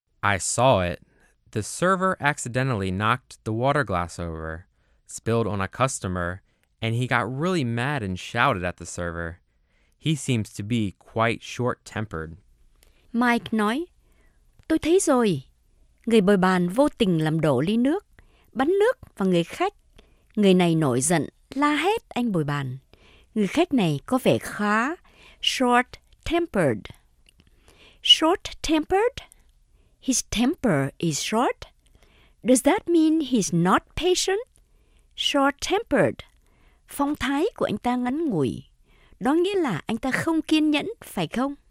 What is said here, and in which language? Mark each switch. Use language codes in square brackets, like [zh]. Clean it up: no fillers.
[en] I saw it. The server accidentally knocked the water glass over, spilled on a customer, and he got really mad and shouted at the server. He seems to be quite short-tempered. [vi] Mike nói, tôi thấy rồi. Người bồi bàn vô tình làm đổ ly nước, bắn nước vào người khách. Người này nổi giận, la hét anh bồi bàn. Người khách này có vẻ khá short-tempered. [en] Short-tempered? His temper is short. Does that mean he's not patient? Short-tempered. [vi] Phong thái của anh ta ngắn ngủi. Đó nghĩa là anh ta không kiên nhẫn, phải không?